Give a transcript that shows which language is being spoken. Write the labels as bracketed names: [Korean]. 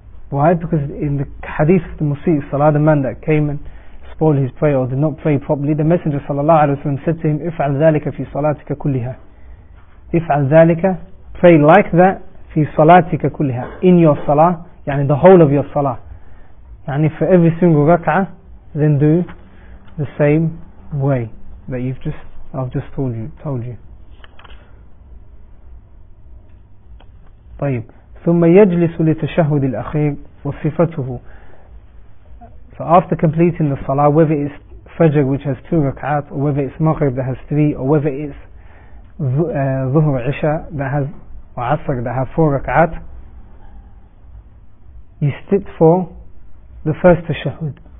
[English] Why? Because in the hadith of the Musi, Salah, the man that came and spoiled his prayer or did not pray properly, the Messenger sallallahu alaihi wasallam said to him, [Arabic] إِفْعَلْ ذَلِكَ فِي صَلَاتِكَ كُلِّهَا, إِفْعَلْ ذَلِكَ, [English] pray like that, [Arabic] فِي صَلَاتِكَ كُلِّهَا, [English] in your salah, يعني the whole of your salah, يعني for every single rak'ah, then do the same way that you've just, I've just told you. [Arabic] طيب. ثم يجلس لتشهد الأخير وصفته. [English] So after completing the salah, whether it's Fajr which has two rak'at, or whether it's Maghrib that has three, or whether it's Zuhr Isha that has, or Asr that have four rak'at, you sit for the first tashahud.